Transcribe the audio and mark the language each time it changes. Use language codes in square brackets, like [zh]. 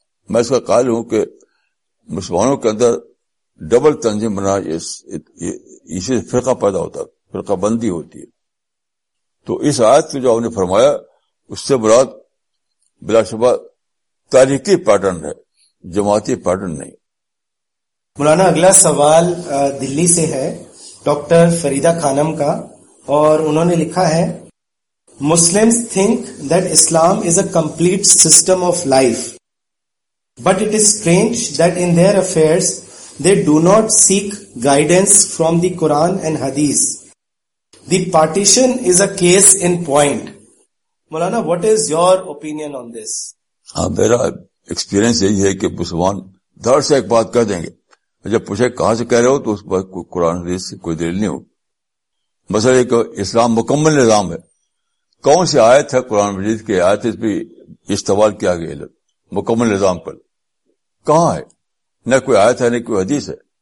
[ur] میں اس کا قائل ہوں کہ مسلمانوں کے اندر ڈبل تنظیم بنا, اسی سے فرقہ پیدا ہوتا ہے, فرقہ بندی ہوتی ہے. تو اس آیت کو جو آپ نے فرمایا اس سے مراد بلا شبہ تاریخی پیٹرن ہے, جماعتی پیٹرن نہیں. مولانا اگلا سوال دلی سے ہے ڈاکٹر فریدہ خانم کا, اور انہوں نے لکھا ہے, [en] Muslims think that Islam is a complete system of life, but it is strange that in their affairs they do not seek guidance from the Quran and Hadith. The partition is a case in point. Maulana, what is your opinion on this? [ur] ہاں میرا experience یہی ہے کہ مسلمان دھر سے ایک بات کہہ دیں گے, جب پوچھے کہاں سے کہہ رہے ہو تو اس پر کوئی قرآن حدیث سے کوئی دلیل نہیں ہو. مسئلہ ایک اسلام مکمل نظام ہے, کون سی آیت ہے قرآن مجید کی آیت اس بھی استعمال کیا گیا مکمل نظام پر, کہاں ہے؟ نہ کوئی آیت ہے نہ کوئی حدیث ہے.